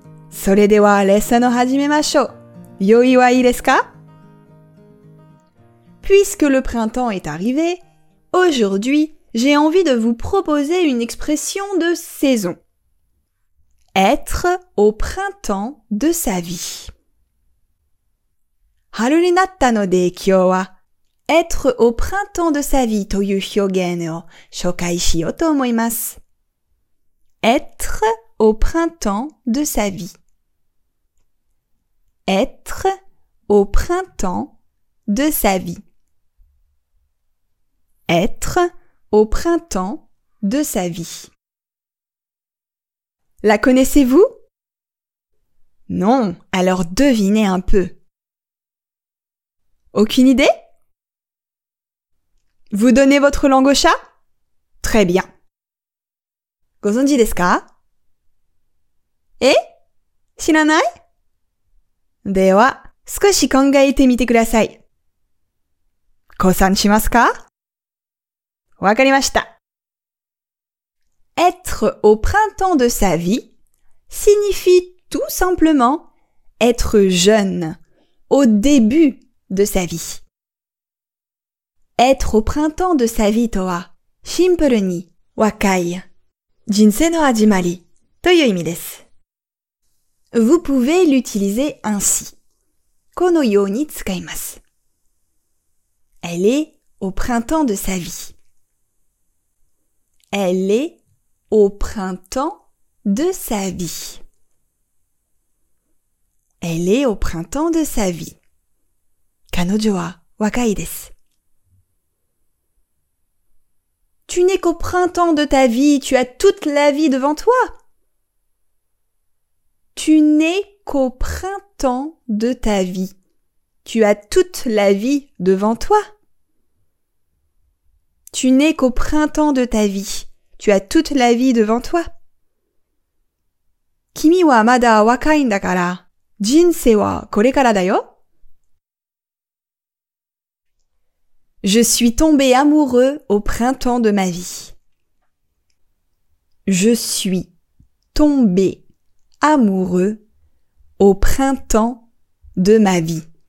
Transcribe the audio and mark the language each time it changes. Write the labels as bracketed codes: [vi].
[ja] Sore de wa lesson o hajimemasho. Yoi wa ii desu ka? [fr] Puisque le printemps est arrivé, aujourd'hui, j'ai envie de vous proposer une expression de saison. Être au printemps de sa vie. [ja] 春になったので今日は Être au printemps de sa vie という表現を紹介しようと思います。 [fr] Être au printemps de sa vie. Être au printemps de sa vie. Être au printemps de sa vie. La connaissez-vous? Non, alors devinez un peu. Aucune idée? Vous donnez votre langue au chat? Très bien. [ja] ご存知ですか? え?知らない? では、少し考えてみてください。ご参しますか? わかりました。 [fr] Être au printemps de sa vie signifie tout simplement être jeune, au début de sa vie. [ja] Être au printemps de sa vie とは、シンプルに、若い、人生の始まりという意味です。 [fr] Vous pouvez l'utiliser ainsi. [ja] このように使います。 [fr] Elle est au printemps de sa vie. Elle est au printemps de sa vie. Elle est au printemps de sa vie. [ja] 彼女は若いです。 [fr] Tu n'es qu'au printemps de ta vie, tu as toute la vie devant toi. Tu n'es qu'au printemps de ta vie, tu as toute la vie devant toi. Tu n'es qu'au printemps de ta vie. Tu as toute la vie devant toi. [ja] 君はまだ若いんだから、人生はこれからだよ。 [fr] Je suis tombé amoureux au printemps de ma vie. Je suis tombé amoureux au printemps de ma vie.